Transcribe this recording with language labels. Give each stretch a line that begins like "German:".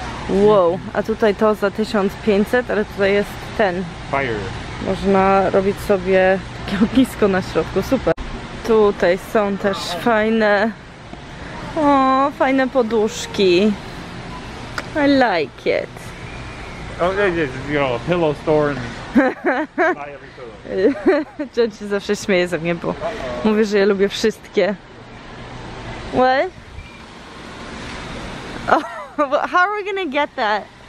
Polish: Wow, a tutaj to za 1500, ale tutaj jest ten.
English: Fire.
Polish: Można robić sobie takie ognisko na środku, super. Tutaj są też fajne, o, fajne poduszki.
English: I like it. Oh, it's, you know, a pillow store and buy every pillow.
Polish: John się zawsze śmieje ze mnie, bo mówi, że ja lubię wszystkie.
English: What? Oh, how are we gonna get that?